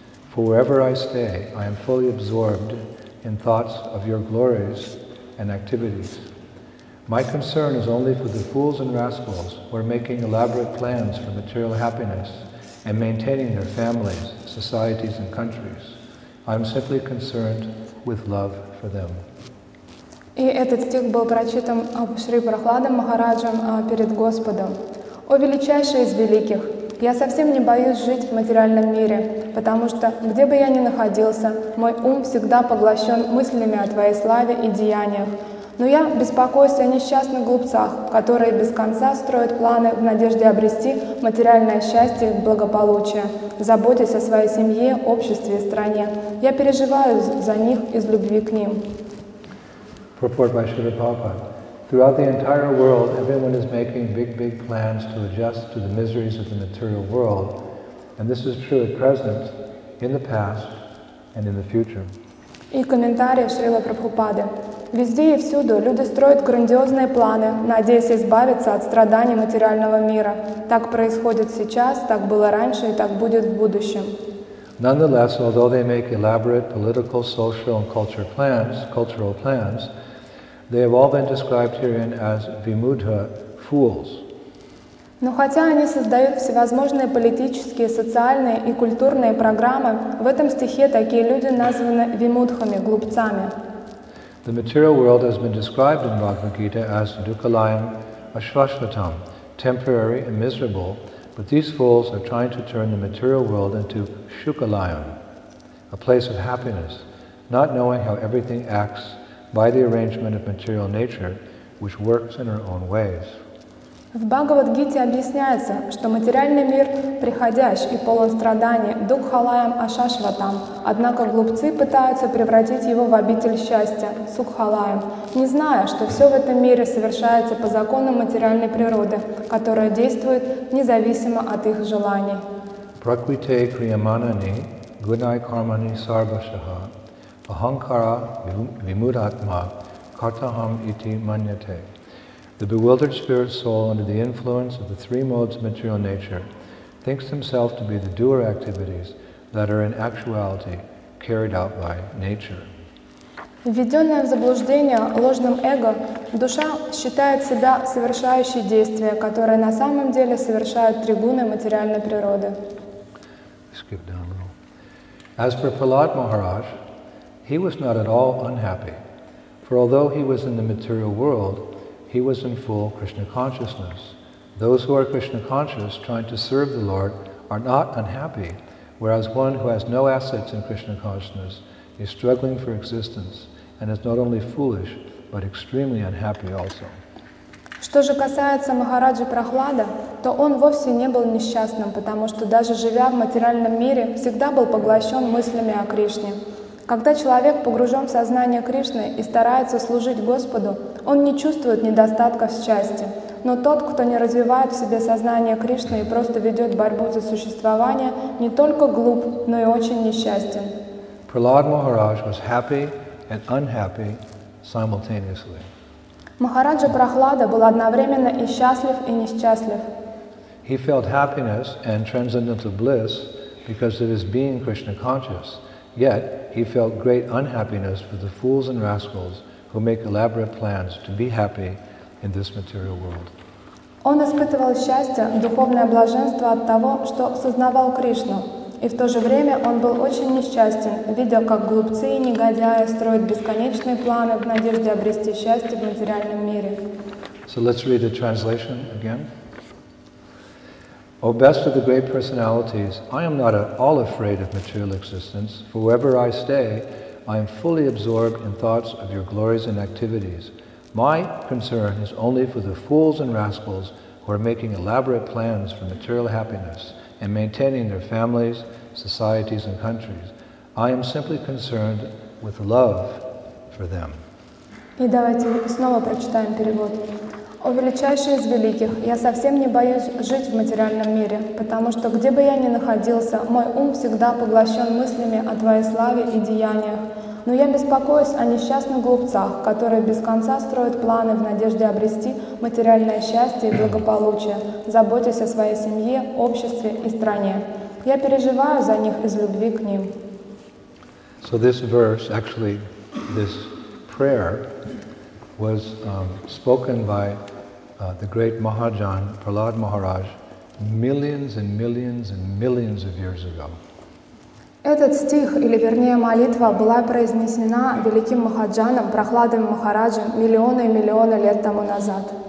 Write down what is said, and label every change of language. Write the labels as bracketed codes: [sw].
[en] For wherever I stay, I am fully absorbed in thoughts of your glories and activities. My concern is only for the fools and rascals who are making elaborate plans for material happiness and maintaining their families, societies, and countries. I'm simply concerned with love for them. [ru] И этот стих был прочитан Шри Прахладом Махараджем перед Господом. О величайший из великих, я совсем не боюсь жить в материальном мире, потому что где бы я ни находился, мой ум всегда поглощен мыслями о твоей славе и деяниях. Но я беспокоюсь о несчастных глупцах, которые без конца строят планы в надежде обрести материальное счастье и благополучие, заботясь о своей семье, обществе и стране. Я переживаю за них из любви к ним. [en] Purport by Srila Prabhupada. Throughout the entire world, everyone is making big plans to adjust to the miseries of the material world. And this is true at present, in the past, and in the future. [ru] И комментарий Шрила Прабхупады. Везде и всюду люди строят грандиозные планы, надеясь избавиться от страданий материального мира. Так происходит сейчас, так было раньше и так будет в будущем. [en] Nonetheless, although they make elaborate political, social, and cultural plans, they have all been described herein as vimudha fools. [ru] Но хотя они создают всевозможные политические, социальные и культурные программы, в этом стихе такие люди названы вимудхами, глупцами. [en] The material world has been described in Bhagavad Gita as [sa] dukkalayam ashvashvatam, [en] temporary and miserable, but these fools are trying to turn the material world into shukalayam, a place of happiness, not knowing how everything acts by the arrangement of material nature, which works in our own ways. [ru] В Бхагавад-гите объясняется, что материальный мир приходящ и полон страданий, [sa] дукхалаям ашашватам, [ru] однако глупцы пытаются превратить его в обитель счастья, сукхалаям, не зная, что все в этом мире совершается по законам материальной природы, которая действует независимо от их желаний. [sa] Пракрите криаманани гунай кармани сарвашаха ахамкара вимудатма картахам ити маньяте. [en] The bewildered spirit soul, under the influence of the three modes of material nature, thinks himself to be the doer activities that are in actuality carried out by nature. [ru] Введенная в заблуждение ложным эго, душа считает себя совершающей действия, которые на самом деле совершают тригуны материальной природы. [en] Skip down a little. As for Prahlad Maharaj, he was not at all unhappy, for although he was in the material world, he was in full Krishna consciousness. Those who are Krishna conscious, trying to serve the Lord, are not unhappy, whereas one who has no assets in Krishna consciousness is struggling for existence and is not only foolish, but extremely unhappy also. [ru] Что же касается Махараджи Прахлада, то он вовсе не был несчастным, потому что даже живя в материальном мире, всегда был поглощен мыслями о Кришне. Когда человек погружен в сознание Кришны и старается служить Господу, он не чувствует недостатка в счастье. Но тот, кто не развивает в себе сознание Кришны и просто ведет борьбу за существование, не только глуп, но и очень несчастен. [en] Prahlad Maharaj was happy and unhappy simultaneously. [ru] Махараджа Прохлада был одновременно и счастлив, и несчастлив. [en] He felt happiness and transcendental bliss because of his being Krishna conscious. Yet he felt great unhappiness for the fools and rascals who make elaborate plans to be happy in this material world. [ru] Он испытывал счастье, духовное блаженство от того, что сознавал Кришну. И в то же время он был очень несчастен, видя, как глупцы и негодяи строят бесконечные планы в надежде обрести счастье в материальном мире. [en] So let's read the translation again. O best of the great personalities, I am not at all afraid of material existence, for wherever I stay, I am fully absorbed in thoughts of your glories and activities. My concern is only for the fools and rascals who are making elaborate plans for material happiness and maintaining their families, societies, and countries. I am simply concerned with love for them. [ru] И давайте снова прочитаем перевод. О величайший из великих, я совсем не боюсь жить в материальном мире, потому что где бы я ни находился, мой ум всегда поглощен мыслями о твоей славе и деяниях. Но я беспокоюсь о несчастных глупцах, которые без конца строят планы в надежде обрести материальное счастье и благополучие, заботясь о своей семье, обществе и стране. Я переживаю за них из любви к ним. [en] So this verse, actually, this prayer was spoken by the great Mahajan, Prahlad Maharaj, millions and millions and millions of years ago. [ru] Этот стих, или вернее молитва, была произнесена великим Махаджаном, Прохладом Махараджем, миллионы и миллионы лет тому назад.